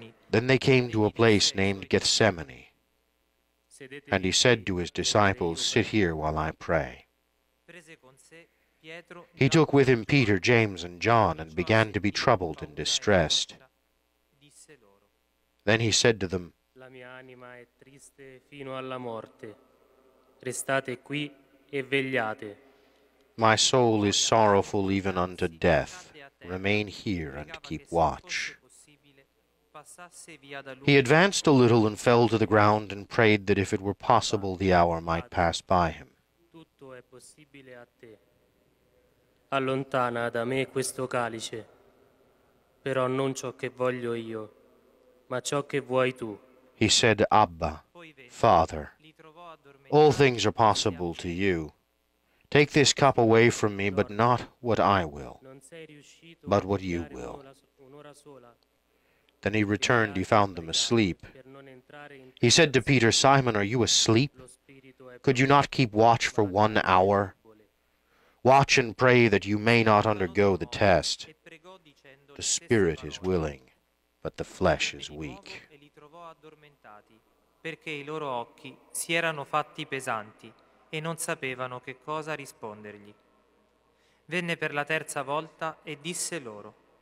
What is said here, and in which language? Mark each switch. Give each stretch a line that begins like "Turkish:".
English: Then they came to a place named Gethsemane, and he said to his disciples, sit here while I pray. He took with him Peter, James, and John, and began to be troubled and distressed. Then he said to them,
Italian: la mia anima è triste fino alla morte. Restate qui e vegliate.
English: My soul is sorrowful even unto death. Remain here and keep watch. He advanced a little and fell to the ground and prayed that if it were possible the hour might pass by him.
Italian: Tutto è possibile a te. Allontana da me questo calice, però non ciò che voglio io, ma ciò che vuoi tu.
English: He said, Abba, Father, all things are possible to you. Take this cup away from me, but not what I will, but what you will. Then he returned, he found them asleep. He said to Peter, Simon, are you asleep? Could you not keep watch for 1 hour? Watch and pray that you may not undergo the test. The spirit is willing, but the flesh is weak.
Italian: E li trovò addormentati, perché i loro occhi si erano fatti pesanti e non sapevano che cosa rispondergli. Venne per la terza volta e disse loro: